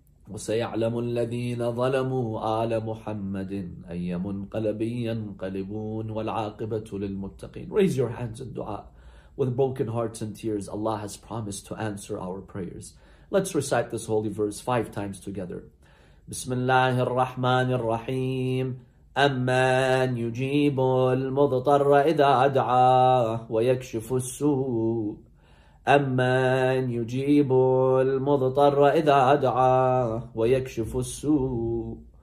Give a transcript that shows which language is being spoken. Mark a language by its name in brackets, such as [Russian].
[Arabic] وسيعلم الذين ظلموا آل محمد أي منقلب ينقلبون والعاقبة للمتقين. [English] Raise your hands in dua with broken hearts and tears. Allah has promised to answer our prayers. Let's recite this holy verse 5 times together. [Arabic] بسم الله الرحمن الرحيم أمن يجيب المضطر إذا دعاه ويكشف السوء أمن يجيب المضطر إذا دعاه ويكشف السوء